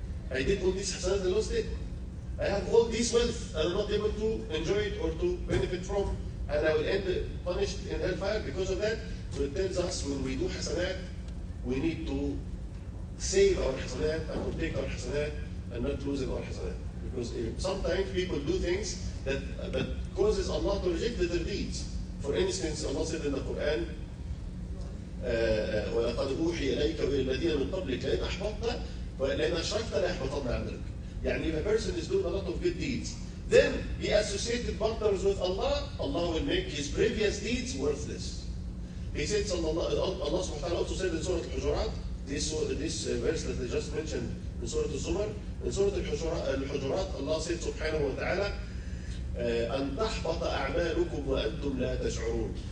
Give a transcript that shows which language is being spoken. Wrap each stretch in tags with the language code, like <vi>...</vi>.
<en>I did all this hasanat and lost it. I have all this wealth and I'm not able to enjoy it or to benefit from, and I will end punished in hellfire because of that. So it tells us when we do hasanat, we need to save our hasanat and to take our hasanat and not lose our hasanat. Because sometimes people do things that causes Allah to reject their deeds. For instance, Allah said in the Quran,</en> <ar>وَلَقَدْ أُوحِيَ إِلَيْكَ وَالَّذِينَ مِنْ قَبْلِكَ لَئِنْ أَحْبَطْتَ وَلَئِن أَشْرَكْتَ لَيَحْبَطَنَّ عَمَلُكَ.</ar> <en>If a person is doing a lot of good deeds, then he associated partners with Allah, Allah will make his previous deeds worthless. He said, Allah subhanahu wa ta'ala also said in Surah Al-Hujurat, this verse that I just mentioned in Surah Al-Zumar, in Surah Al-Hujurat, Allah said subhanahu wa ta'ala,</en> <ar>أَنْ تَحْبَطَ أَعْمَالُكُمْ وَأَنْتُمْ لَا تَشْعُرُونَ.</ar>